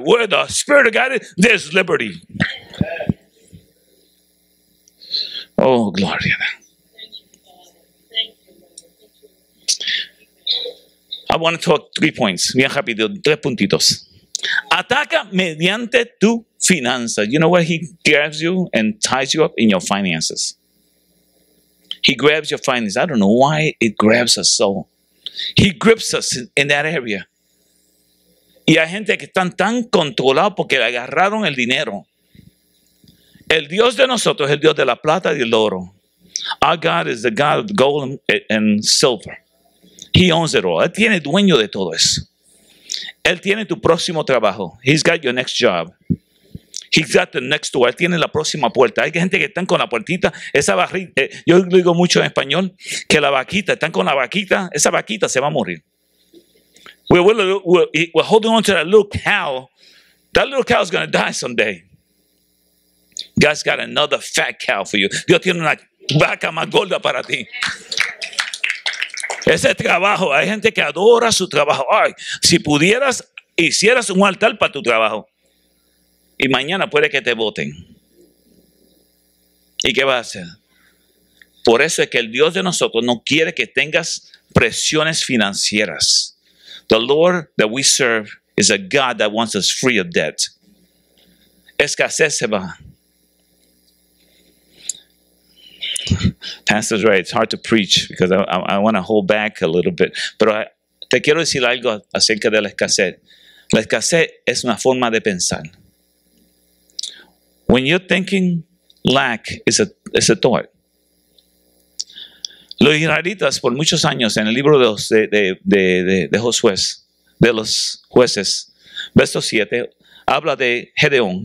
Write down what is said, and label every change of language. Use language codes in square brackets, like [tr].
[en] Where the Spirit of God is, there's liberty. [es] Oh, Gloria. [en] I want to talk 3 points. [es] Bien rápido, 3 puntitos. Ataca mediante tu finanza. [en] You know where he grabs you and ties you up? In your finances. He grabs your finances. I don't know why it grabs us so. He grips us in that area. [es] Y hay gente que están tan controlados porque le agarraron el dinero. El Dios de nosotros es el Dios de la plata y el oro. [en] Our God is the God of gold and silver. He owns it all. [es] Él tiene dueño de todo eso. Él tiene tu próximo trabajo. [en] He's got your next job. He's got the next door. [es] Él tiene la próxima puerta. Hay gente que están con la puertita. Esa barrita, yo digo mucho en español, que la vaquita, están con la vaquita. Esa vaquita se va a morir. [en] We're holding on to that little cow. That little cow is going to die someday. God's got another fat cow for you. [es] Dios tiene una vaca más gorda para ti. Ese trabajo, hay gente que adora su trabajo. Ay, si pudieras, hicieras un altar para tu trabajo. Y mañana puede que te voten. ¿Y qué vas a hacer? Por eso es que el Dios de nosotros no quiere que tengas presiones financieras. [en] The Lord that we serve is a God that wants us free of debt. [es] Escasez se va. [en] Pastor's right. It's hard to preach because I want to hold back a little bit. [es] Pero te quiero decir algo acerca de la escasez. La escasez es una forma de pensar. [en] When you're thinking lack is a thought. [es] Los israelitas por muchos años en el libro de Josué, de los jueces, verso 7, habla de Gedeón.